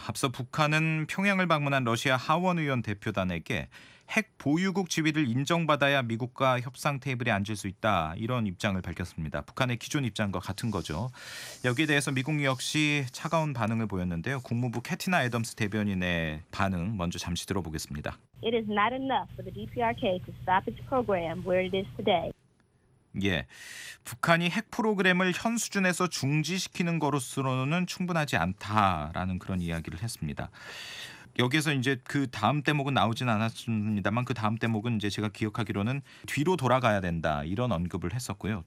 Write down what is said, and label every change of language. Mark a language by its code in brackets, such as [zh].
[ko] 앞서 북한은 평양을 방문한 러시아 하원 의원 대표단에게 핵 보유국 지위를 인정받아야 미국과 협상 테이블에 앉을 수 있다. 이런 입장을 밝혔습니다. 북한의 기존 입장과 같은 거죠. 여기에 대해서 미국 역시 차가운 반응을 보였는데요. 국무부 캐티나 애덤스 대변인의 반응 먼저 잠시 들어보겠습니다. [en] It is not enough for the DPRK to stop its program where it is today. [ko] 예, 북한이 핵 프로그램을 현 수준에서 중지시키는 것으로서는 충분하지 않다라는 그런 이야기를 했습니다. 여기에서 이제 그 다음 대목은 나오지는 않았습니다만 그 다음 대목은 이제 제가 기억하기로는 뒤로 돌아가야 된다 이런 언급을 했었고요.